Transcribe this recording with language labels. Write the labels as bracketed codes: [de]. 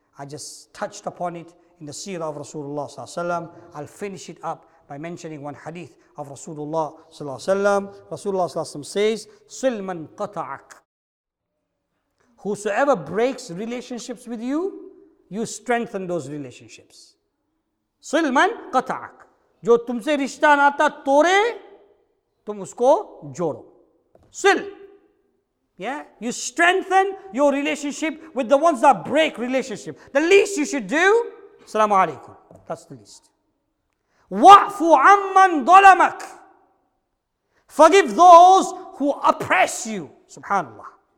[en] I just touched upon it in the seerah of Rasulullah sallallahu alaihi wasallam. I'll finish it up by mentioning one hadith of Rasulullah sallallahu alaihi wasallam. Rasulullah sallallahu alaihi wasallam says, [ar] "Sil man qata'ak." [en] Whosoever breaks relationships with you, you strengthen those relationships. [ar] Sil man qata'ak. [ur] جو تم سے رشتہ ناتا توڑے، تم اس کو جوڑو۔ [ar] Sil. [en] Yeah, you strengthen your relationship with the ones that break relationship. The least you should do, Assalamu alaikum. That's the least. [ar] Wa'fu amman dhalamak. [en] Forgive those who oppress you. Subhanallah.